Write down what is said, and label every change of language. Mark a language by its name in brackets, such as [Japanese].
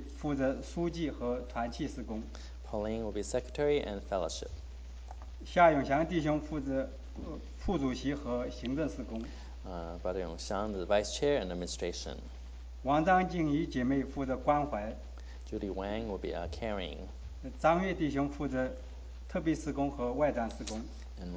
[Chinese] 林吴丽红姐妹负责书记和团契事工。 [English] Pauline will be secretary and fellowship. [Chinese] 夏永祥弟兄负责副主席和行政事工。 [English] Brother Yongxiang is the vice chair and administration. [Chinese] 王张静怡姐妹负责关怀。 [English] Judy Wang will be a caring. [Chinese] 张月弟兄负责特别事工和外展事工。And